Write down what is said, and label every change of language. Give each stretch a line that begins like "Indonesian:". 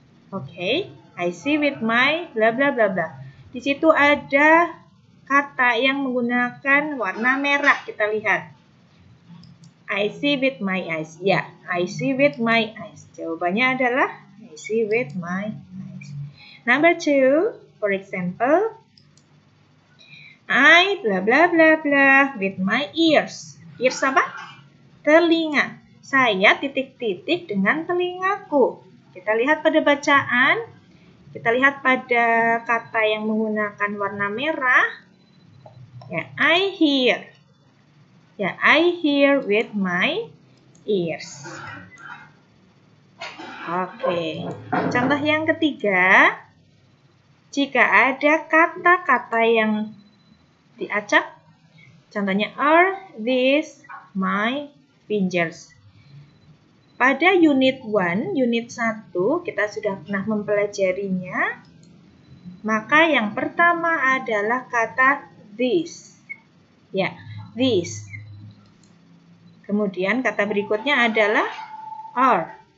Indonesian: Oke, okay.
English: I see with my blah blah blah blah.
Indonesian: Di situ ada kata yang menggunakan warna merah, kita lihat.
English: I see with my eyes. Ya, yeah, I see with my eyes.
Indonesian: Jawabannya adalah
English: I see with my eyes. Number two, for example, I blah blah blah blah with my ears.
Indonesian: Ears apa? Telinga. Saya titik-titik dengan telingaku. Kita lihat pada bacaan. Kita lihat pada kata yang menggunakan warna merah.
English: Ya, I hear. Ya, I hear with my ears.
Indonesian: Oke. Contoh yang ketiga. Jika ada kata-kata yang diacak. Contohnya,
English: are these my fingers?
Indonesian: Pada unit 1, kita sudah pernah mempelajarinya. Maka yang pertama adalah kata this. Ya, this. Kemudian kata berikutnya adalah are.